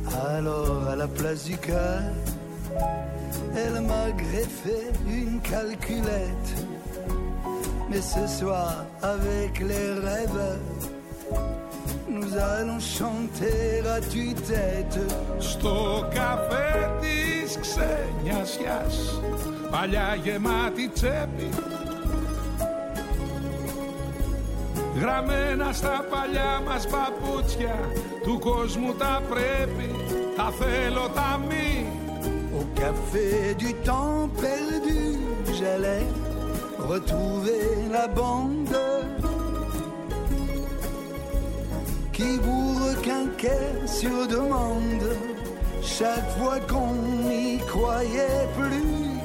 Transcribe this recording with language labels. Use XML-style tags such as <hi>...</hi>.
<fr>Alors, à la place du cœur, elle m'a greffé une calculette. Mais ce soir, avec les rêves, nous allons chanter à tue-tête.</fr> <el>Στο καφέ της ξενιασιάς, παλιά γεμάτη τσέπη, γραμμένα στα παλιά μας παπούτσια, του κόσμου τα πρέπει, τα θέλω τα μη.</el> <fr>Au café du temps perdu, j'allais retrouver la bande qui vous requinquait sur demande chaque fois qu'on n'y croyait plus.</fr>